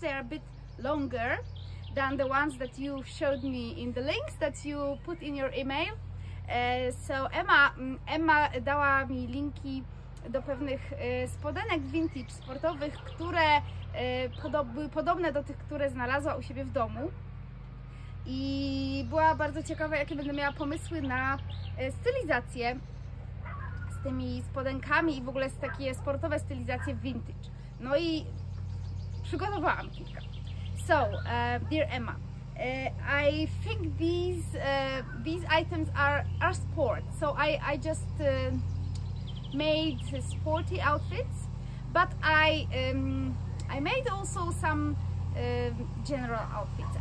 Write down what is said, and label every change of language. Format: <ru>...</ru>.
<en>They're a bit longer than the ones that you showed me in the links that you put in your email.</en> <pl>So Emma dała mi linki do pewnych spodenek vintage sportowych, które były podobne do tych, które znalazła u siebie w domu. i była bardzo ciekawa, jakie będę miała pomysły na stylizację z tymi spodenkami i w ogóle z takie sportowe stylizacje vintage. No i przygotowałam kilka.</pl> <en>So, dear Emma, I think these items are sport. So I just made sporty outfits, but I made also some general outfits.</en>